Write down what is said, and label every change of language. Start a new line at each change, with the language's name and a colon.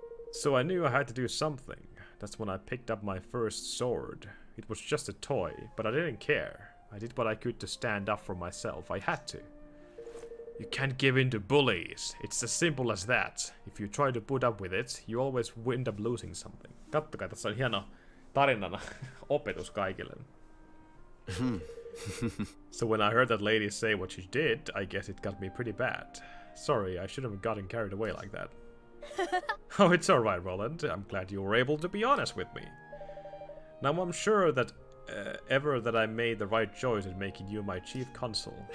English: So I knew I had to do something. That's when I picked up my first sword. It was just a toy, but I didn't care. I did what I could to stand up for myself. I had to. You can't give in to bullies. It's as simple as that. If you try to put up with it, you always end up losing something.
Finnish: Kattokaa, tässä on hieno tarinana opetus kaikille.
English: So when I heard that lady say what she did, I guess it got me pretty bad. Sorry, I shouldn't have gotten carried away like that. Oh, it's alright, Roland. I'm glad you were able to be honest with me. Now I'm sure that ever that I made the right choice in making you my chief consul.